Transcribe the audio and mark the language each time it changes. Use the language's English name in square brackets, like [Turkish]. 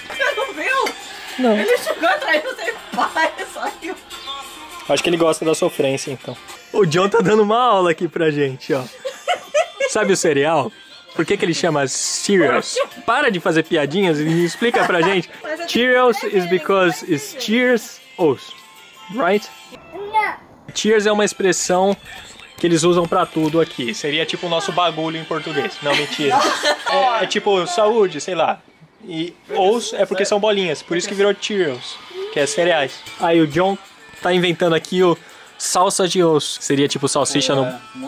[Portuguese] Você não viu? Não. Ele chegou atrás do seu pai, saiu. Acho que ele gosta da sofrência, então. O John tá dando uma aula aqui pra gente, ó. Sabe o cereal? Por que que ele chama Cheerios? Para de fazer piadinhas e explica pra gente. [English] Cheerios is because it's cheers os. Right? [Portuguese] Não. Cheers é uma expressão que eles usam pra tudo aqui. Seria tipo o nosso bagulho em português. Não, mentira. É tipo saúde, sei lá. E os é porque são bolinhas, por isso que virou Cheerios, que é cereais. Aí o John tá inventando aqui o salsa de os, seria tipo salsicha no...